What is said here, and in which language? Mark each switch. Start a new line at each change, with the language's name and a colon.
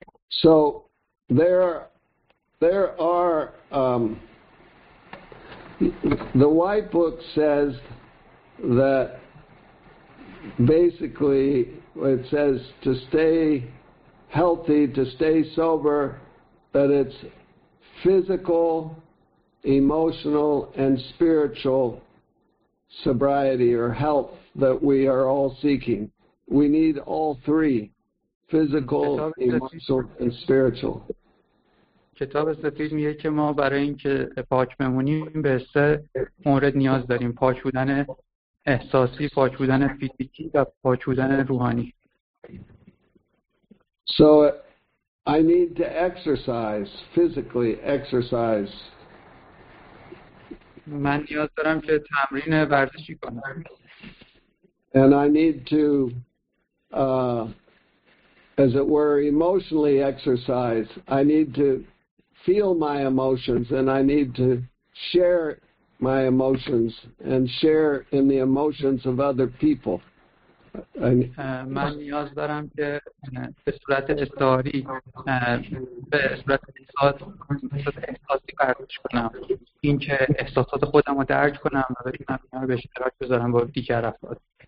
English: So there are the white book says that basically it says to stay healthy, to stay sober, that it's physical, emotional, and spiritual sobriety or health that we are all seeking. We need all three, physical, emotional, and spiritual.
Persian: کتاب سفید میگه که ما برای اینکه پاک بمونیم به سه مورد نیاز داریم: پاک بودن احساسی، پاک بودن فیزیکی و پاک بودن روحانی.
English: So I need to exercise, physically exercise.
Persian: من نیاز دارم که تمرین ورزشی کنم.
English: And I need to as it were emotionally exercise. I need to feel my emotions, and I need to share my emotions and share in the emotions of other people.
Persian: من نیاز دارم که به صورت استعاری به صورت احساسی برداشت کنم، این که احساسات خودم رو درج کنم و بریم اینا رو به اشتراک بذارم با دیگر افراد.